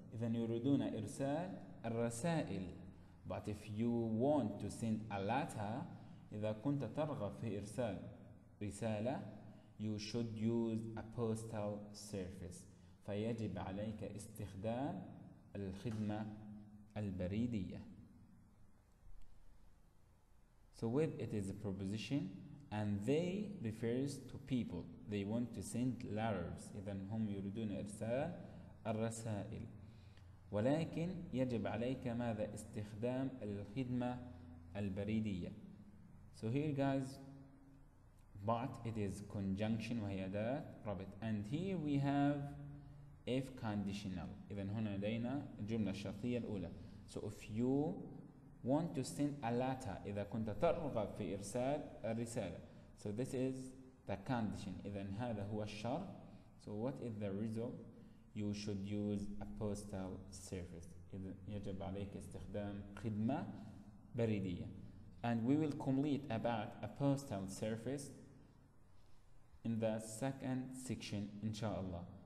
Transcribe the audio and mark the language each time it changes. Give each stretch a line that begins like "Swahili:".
Arabic: إذن يريدون إرسال الرسائل.
English: But if you want to send a letter,
Arabic: إذا كنت ترغب في إرسال رسالة,
English: you should use a postal service.
Arabic: فيجب عليك استخدام الخدمة البريدية.
English: So with it is a preposition, and they refers to people. They want to send letters.
Arabic: إذن هم يريدون إرسال الرسائل. ولكن يجب عليك ماذا استخدام الخدمة البريدية.
English: So here guys, but it is conjunction
Arabic: وهي أداة ربط.
English: And here we have if conditional.
Arabic: إذن هنا لدينا الجملة الشرطية الأولى.
English: So if you want to send a letter,
Arabic: إذا كنت ترغب في إرسال الرسالة.
English: So this is the condition.
Arabic: إذن هذا هو الشرط.
English: So what is the result? You should use a postal service.
Arabic: إذن يجب عليك استخدام خدمة بريدية.
English: And we will complete about a postal service in the second section, inshallah.